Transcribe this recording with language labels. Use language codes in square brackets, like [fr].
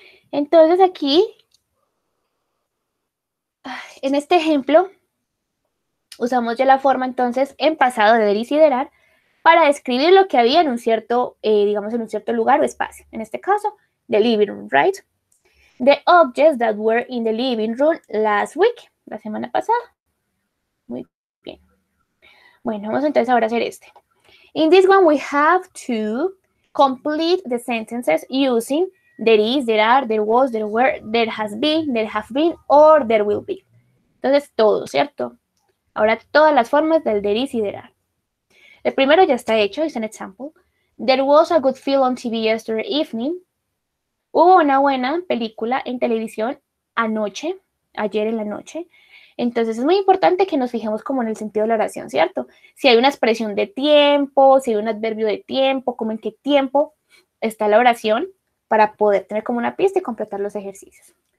[es] Entonces aquí, en este ejemplo, usamos ya la forma entonces en pasado de desiderar para describir lo que había en un cierto, digamos, en un cierto lugar o espacio. En este caso, [en] the living room, right? The objects that were in the living room last week, [es] la semana pasada. Muy bien. Bueno, vamos entonces ahora a hacer este. [en] In this one, we have to complete the sentences using there is, there are, there was, there were, there has been, there have been, or there will be. [es] Entonces, todo, ¿cierto? Ahora, todas las formas del there is y there are. El primero ya está hecho, es un example. [en] There was a good film on TV yesterday evening. [es] Hubo una buena película en televisión anoche, ayer en la noche. Entonces es muy importante que nos fijemos como en el sentido de la oración, ¿cierto? Si hay una expresión de tiempo, si hay un adverbio de tiempo, como en qué tiempo está la oración para poder tener como una pista y completar los ejercicios.